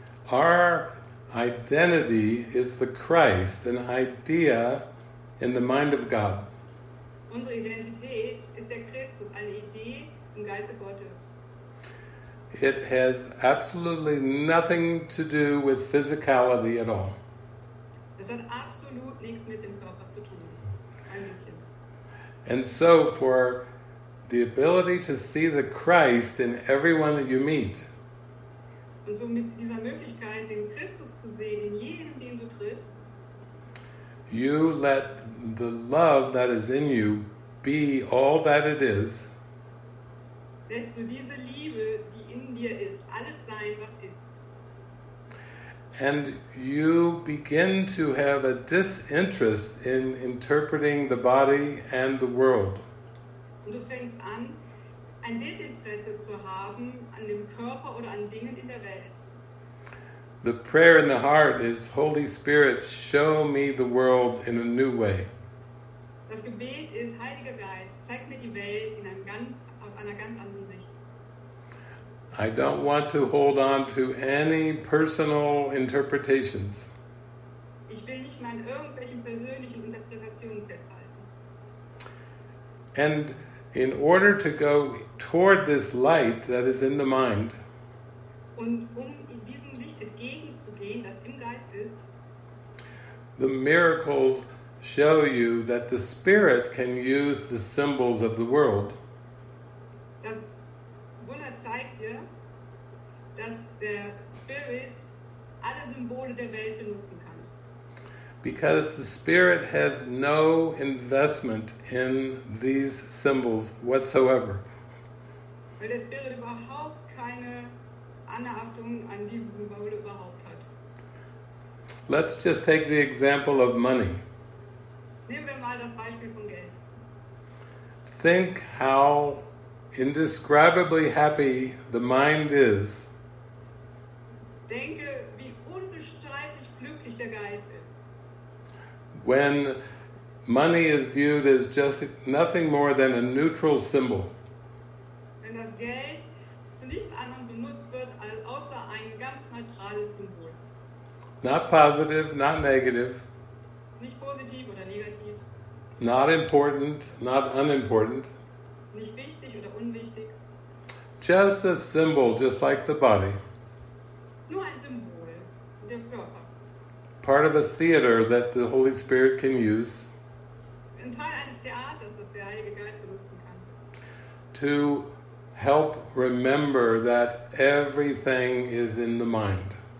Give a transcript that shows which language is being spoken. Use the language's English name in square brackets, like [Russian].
[English] Our identity is the Christ, an idea in the mind of God. [German] Unsere Identität ist der Christus, eine Idee im Geiste Gottes. [English] It has absolutely nothing to do with physicality at all. [German] Es hat absolut nichts mit dem Körper zu tun. Ein bisschen. [English] And so for the ability to see the Christ in everyone that you meet. [German] Und so mit dieser Möglichkeit, den Christus zu sehen in jedem, den du triffst. [English] You let the love that is in you be all that it is. [German] Lässt du diese Liebe, die in dir ist, alles sein, was ist. [English] And you begin to have a disinterest in interpreting the body and the world. [German] Und du fängst an, ein Desinteresse zu haben an dem Körper oder an Dingen in der Welt. [English] The prayer in the heart is, Holy Spirit, show me the world in a new way. [German] Das Gebet ist, Heiliger Geist, zeig mir die Welt in einem aus einer ganz anderen Sicht. [English] I don't want to hold on to any personal interpretations. [German] Ich will nicht mehr an irgendwelchen persönlichen Interpretationen festhalten. [English] And in order to go toward this light that is in the mind, [German] und in diesem Licht entgegenzugehen, das im Geist ist, [English] the miracles show you that the Spirit can use the symbols of the world. [German] Das Wunder zeigt dir, dass der Spirit alle Symbole der Welt benutzen kann. [English] Because the Spirit has no investment in these symbols whatsoever. [German] Weil der Spirit überhaupt keine Anachtung an diesen Symbol überhaupt hat. [English] Let's just take the example of money. [German] Nehmen wir mal das Beispiel von Geld. [English] Think how indescribably happy the mind is. [German] Denke, wie unbestreitlich glücklich der Geist ist. [English] When money is viewed as just nothing more than a neutral symbol. [German] Wenn das Geld zu nichts anderem benutzt wird, außer ein ganz neutrales Symbol. [English] Not positive, not negative. [German] Nicht positiv oder negativ. [English] Not important, not unimportant. [German] Nicht wichtig oder unwichtig. [English] Just a symbol, just like the body. [German] Nur ein Symbol, der Körper. [English] Part of a theater that the Holy Spirit can use. [German] Ein Teil eines Theaters, das der Heilige Geist benutzen kann. [English] To help remember that everything is in the mind.